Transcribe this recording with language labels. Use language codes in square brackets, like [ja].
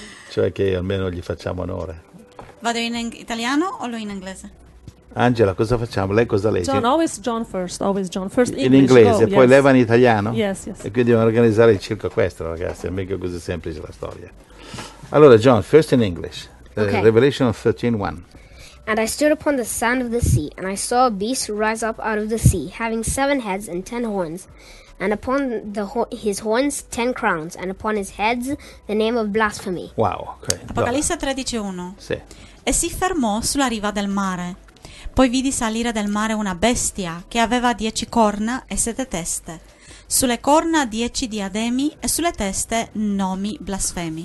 [it] Cioè che almeno gli facciamo onore. Vado in italiano o lui in inglese? Angela, cosa facciamo? Lei cosa legge? [en] John, always John first, always John first. English, [it] in inglese, [en] go, [it] poi [en] yes. [it] Lei va in italiano? [en] Yes, yes. [it] E quindi dobbiamo organizzare il circo equestre, ragazzi, è mica così semplice la storia. [en] Allora, John, first in English. Okay. Revelation 13:1. And I stood upon the sand of the sea, and I saw a beast rise up out of the sea, having 7 heads and 10 horns, and upon his horns 10 crowns, and upon his heads the name of blasphemy. Wow, ok. [it] Apocalisse 13:1. Sì. E si fermò sulla riva del mare. Poi vidi salire dal mare una bestia che aveva 10 corna e 7 teste. Sulle corna 10 diademi e sulle teste nomi blasfemi.